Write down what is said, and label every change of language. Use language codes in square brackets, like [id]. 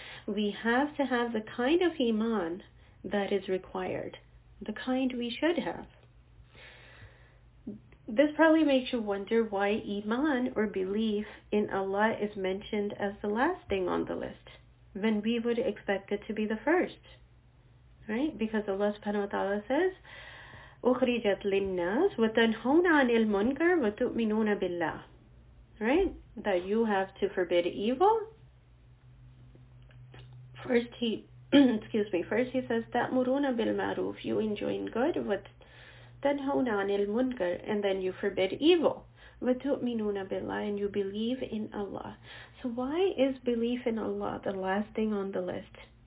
[en] We have to have the kind of iman that is required, the kind we should have. This probably makes you wonder why iman, or belief in Allah, is mentioned as the last thing on the list, when we would expect it to be the first, right? Because Allah subhanahu wa ta'ala says, [ar] أُخْرِجَتْ لِلنَّاسِ وَتَنْهَوْنَ عَنِ الْمُنْكَرِ وَتُؤْمِنُونَ بِاللَّهِ. [en] Right? That you have to forbid evil. First he, first he says, [ar] تَأْمُرُونَ بِالْمَعْرُوفِ. [en] You enjoin good. [ar] وَتَنْهَوْنَ عَنِ الْمُنْكَرِ. [en] And then you forbid evil. [ar] وَتُؤْمِنُونَ بِاللَّهِ. [en] And you believe in Allah. So why is belief in Allah the last thing on the list?